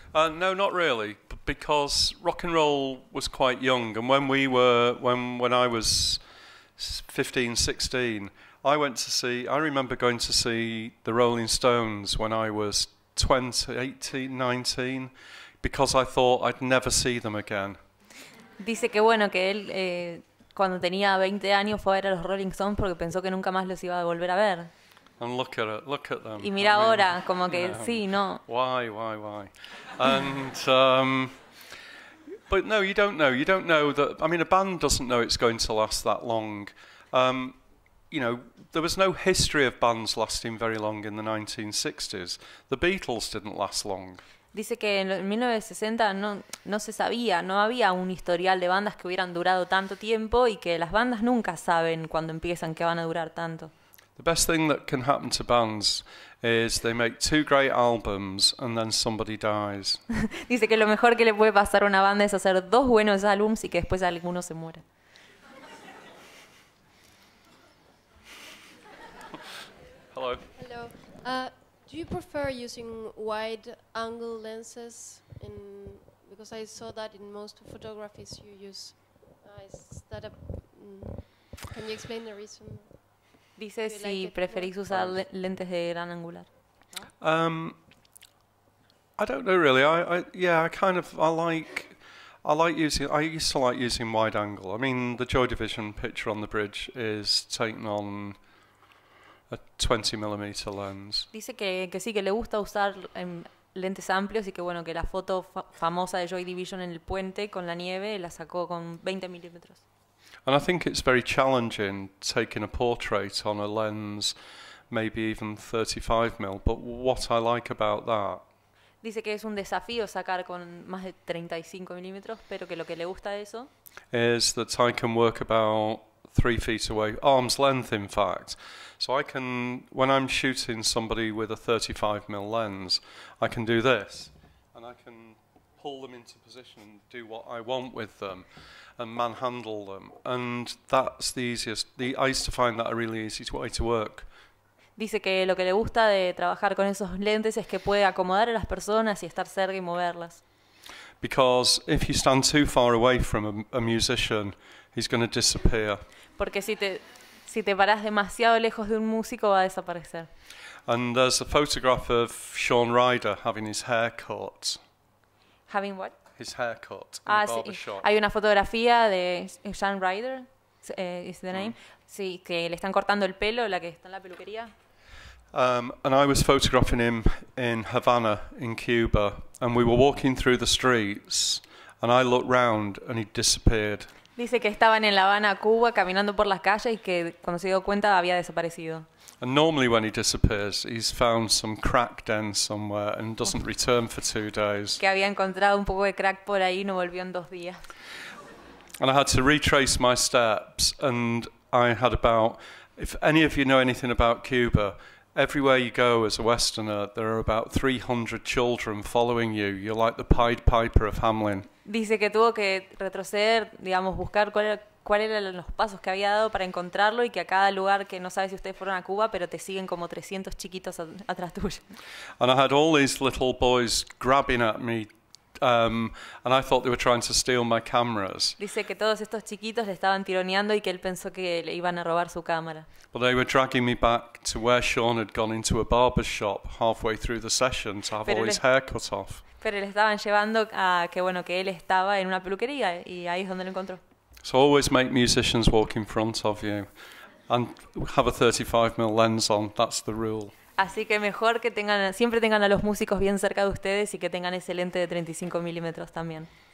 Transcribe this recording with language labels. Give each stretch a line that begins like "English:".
English: No, not really, because rock and roll was quite young, and when I was 15, 16, I remember going to see the Rolling Stones when I was 20, 18, 19, because I thought I'd never see them again.
Spanish: Dice que bueno, que él cuando tenía 20 años fue a ver a los Rolling Stones porque pensó que nunca más los iba a volver a ver.
English: And look at them.
Spanish: Y mira ahora,
English: I mean,
Spanish: como que
English: you know,
Spanish: sí, no.
English: Why? And but no, you don't know. You don't know that. I mean, a band doesn't know it's going to last that long. You know, there was no history of bands lasting very long in the 1960s. The Beatles didn't last long.
Spanish: Dice que en 1960 no se sabía, no había un historial de bandas que hubieran durado tanto tiempo y que las bandas nunca saben cuando empiezan que van a durar tanto.
English: The best thing that can happen to bands is they make two great albums and then somebody dies.
Spanish: Dice que lo mejor que le puede pasar a una banda es hacer dos buenos álbums y que después alguno se muera.
English: Hello. Hello. Do you prefer using wide angle lenses? Because I saw that in most photographies you use. Can you explain the reason?
Spanish: Dice si preferís usar lentes de gran angular.
English: I don't know really. I used to like using wide angle. I mean, the Joy Division picture on the bridge is taken on a 20mm lens.
Spanish: Dice que sí, que le gusta usar lentes amplios y que bueno, que la foto famosa de Joy Division en el puente con la nieve la sacó con 20mm.
English: And I think it's very challenging taking a portrait on a lens, maybe even 35mm. But what I like about that.
Spanish: Dice que es un desafío sacar con más de 35mm, pero que lo que le gusta de eso.
English: Is that I can work about 3 feet away, arm's length, in fact. So I can, when I'm shooting somebody with a 35mm lens, I can do this, and I can pull them into position and do what I want with them. And manhandle them, and that's the easiest. I used to find that a really easy way to work.
Spanish: Dice que lo que le gusta de trabajar con esos lentes es que puede acomodar a las personas y estar cerca y moverlas.
English: Because if you stand too far away from a musician, he's going to disappear.
Spanish: Porque si te paras demasiado lejos de un músico va a desaparecer.
English: And there's a photograph of Sean Ryder having his hair cut. Having what? His hair cut in barbershop.
Spanish: Hay una fotografía de Sean Ryder,
English: is the name.
Spanish: Sí, que le están cortando el pelo, la que está en la peluquería.
English: And I was photographing him in Havana, in Cuba, and we were walking through the streets, and I looked round, and he disappeared.
Spanish: Dice que estaban en La Habana, Cuba, caminando por las calles y que cuando se dio cuenta había desaparecido.
English: And normally when he disappears, he's found some crack den somewhere and doesn't return for 2 days.
Spanish: Que había encontrado un poco de crack por ahí y no volvió en 2 días.
English: And I had to retrace my steps, and I had about, if any of you know anything about Cuba, everywhere you go as a Westerner, there are about 300 children following you. You're like the Pied Piper of Hamelin.
Spanish: Dice que tuvo que retroceder, digamos, buscar cuáles eran los pasos que había dado para encontrarlo y que a cada lugar que no sabes si ustedes fueron a Cuba, pero te siguen como 300 chiquitos atrás tuyo.
English: And I had all these little boys grabbing at me, and I thought they were trying to steal my cameras.
Spanish: Dice que todos estos chiquitos le estaban tironeando y que él pensó que le iban a robar su cámara.
English: But they were dragging me back to where Sean had gone into a barber shop halfway through the session to have all his hair cut off.
Spanish: Pero le estaban llevando a que, bueno, que él estaba en una peluquería y ahí es donde lo encontró.
English: So always make musicians walk in front of you and have a 35mm lens on, that's the rule.
Spanish: Así que mejor que tengan, siempre tengan a los músicos bien cerca de ustedes y que tengan ese lente de 35mm también.